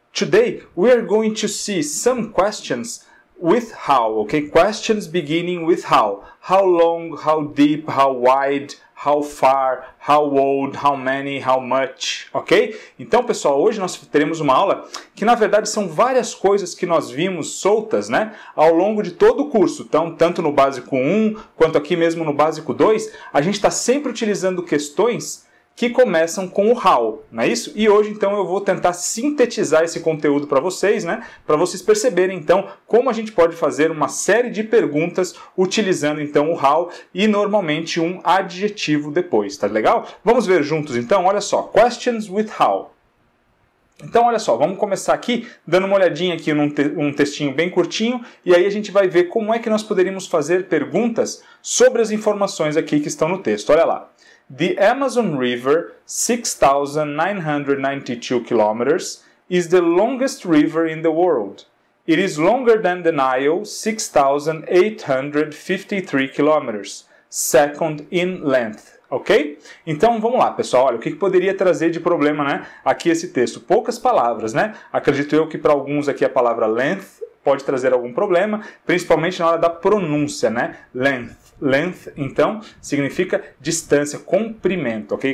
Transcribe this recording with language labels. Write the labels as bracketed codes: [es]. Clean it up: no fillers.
[en] Today, we are going to see some questions with how, okay? Questions beginning with how. How long, how deep, how wide, how far, how old, how many, how much, ok? [pt] Então, pessoal, hoje nós teremos uma aula que, na verdade, são várias coisas que nós vimos soltas, né? Ao longo de todo o curso, então, tanto no básico 1, quanto aqui mesmo no básico 2, a gente está sempre utilizando questões que começam com o how, não é isso? E hoje, então, eu vou tentar sintetizar esse conteúdo para vocês, né? Para vocês perceberem, então, como a gente pode fazer uma série de perguntas utilizando, então, o how e, normalmente, um adjetivo depois, tá legal? Vamos ver juntos, então? Olha só, [en] questions with how. [pt] Então, olha só, vamos começar aqui dando uma olhadinha aqui num textinho bem curtinho e aí a gente vai ver como é que nós poderíamos fazer perguntas sobre as informações aqui que estão no texto, olha lá. [en] The Amazon River, 6,992 kilometers, is the longest river in the world. It is longer than the Nile, 6,853 kilometers, second in length. [pt] Ok? Então, vamos lá, pessoal. Olha, o que poderia trazer de problema, né, aqui esse texto? Poucas palavras, né? Acredito eu que para alguns aqui a palavra length pode trazer algum problema, principalmente na hora da pronúncia, né? Length. Length, então, significa distância, comprimento, ok?